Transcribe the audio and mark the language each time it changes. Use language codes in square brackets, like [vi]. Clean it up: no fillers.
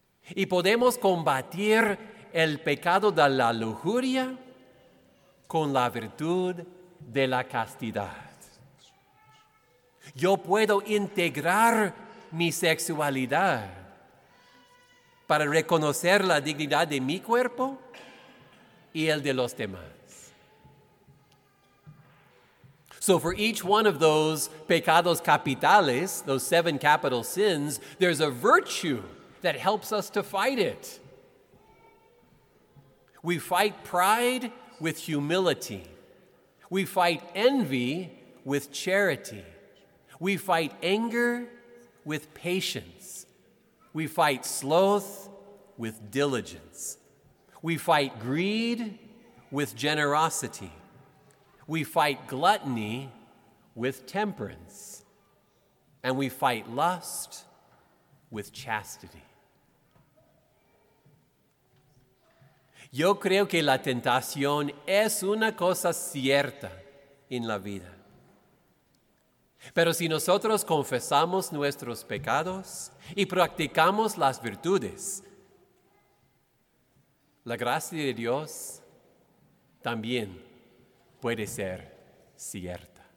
[es] Y podemos combatir el pecado de la lujuria con la virtud de la castidad. Yo puedo integrar mi sexualidad para reconocer la dignidad de mi cuerpo y el de los demás. [en] So for each one of those [es] pecados capitales, [en] those seven capital sins, there's a virtue that helps us to fight it. We fight pride with humility. We fight envy with charity. We fight anger with patience. We fight sloth with diligence. We fight greed with generosity. We fight gluttony with temperance. And we fight lust with chastity. [es] Yo creo que la tentación es una cosa cierta en la vida. Pero si nosotros confesamos nuestros pecados y practicamos las virtudes, la gracia de Dios también puede ser cierta.